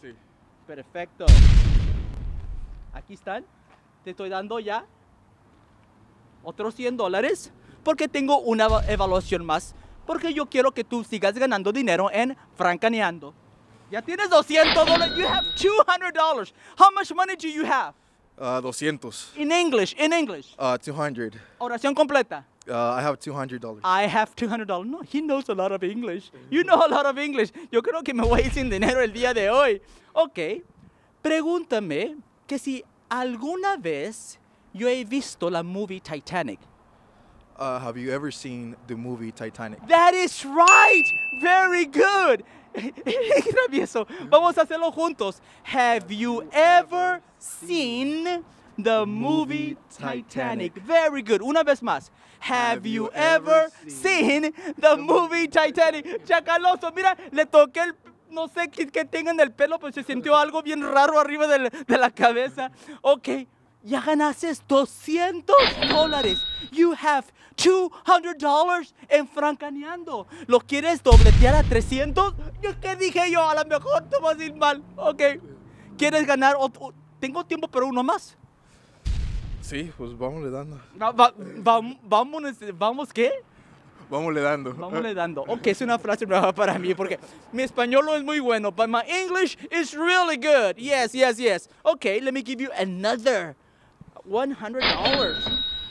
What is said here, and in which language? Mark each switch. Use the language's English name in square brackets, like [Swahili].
[Spanish] Sí. Perfecto. Aquí están. Te estoy dando ya otros $100, porque tengo una evaluación más, porque yo quiero que tú sigas ganando dinero en francaneando. Ya tienes $200. [English] You have $200. How much money do you have? 200. In English. 200. [Spanish] Oración completa. [English] I have $200. I have $200. No, he knows a lot of English. You know a lot of English. [Spanish] Yo creo que me voy sin dinero el día de hoy. Ok. Pregúntame que si alguna vez yo he visto la movie Titanic. [English] Have you ever seen the movie Titanic? That is right. Very good. Travieso. [Spanish] Vamos a hacerlo juntos. [English] Have you ever seen the movie Titanic? Very good. [Spanish] Una vez más. [English] Have you ever seen the movie Titanic? [Spanish] Chacaloso, mira, le toqué el, no sé qué tenga en el pelo, pero se sintió algo bien raro arriba de la cabeza. Ok, ya ganaste $200. [English] You have $200 en francaneando. [Spanish] ¿Lo quieres dobletear a 300? ¿Qué dije yo? A lo mejor te vas a ir mal. Ok, ¿quieres ganar otro? Tengo tiempo, pero uno más. Sí, pues vamos le dando. ¿Vamos qué? Vamos le dando. Ok, es una frase nueva para mí porque mi español no es muy bueno, [English] but my English is really good. Yes. Ok, let me give you another $100.